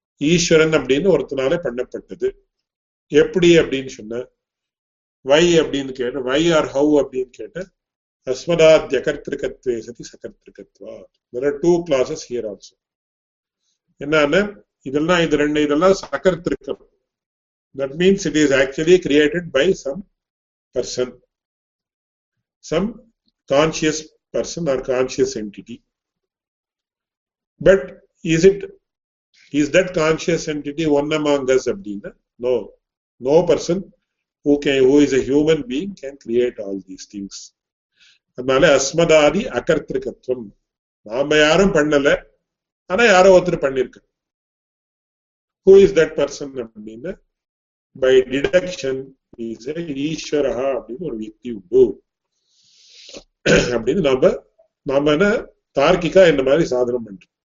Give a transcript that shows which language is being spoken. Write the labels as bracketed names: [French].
[Tamil] ஈஸ்வரன் அப்படின்னு ஒருத்தனால பண்ணப்பட்டது எப்படி அப்படின்னு சொன்ன வை அப்படின்னு கேட்ட வை ஆர் ஹவு அப்படின்னு கேட்ட [Sanskrit] அஸ்மதாத்ய கர்த்திருக்கத்துவே சதி சகர்த்திருக்கத்வா [English] there are two classes here also [Tamil] என்னன்னா இதெல்லாம் இது ரெண்டு இதெல்லாம் சகர்த்திருக்கம் [English] That means it is actually created by some person some conscious person or conscious entity but is it Is that conscious entity one among us, Abdina? No. No person who is a human being can create all these things. [Tamil] அதனால அஸ்மதாதி அகர்த்திருக்கத்துவம், நாம யாரும் பண்ணல ஆனா யாரோ ஒருத்தர் பண்ணிருக்க. [English] who is that person [Tamil] அப்படின்னு [English] by deduction is a Ishvara [Tamil] அப்படின்னு ஒரு வியக்தி உண்டு அப்படின்னு நாம நாம தார்க்கிக்கா இந்த மாதிரி சாதனம் பண்றோம்.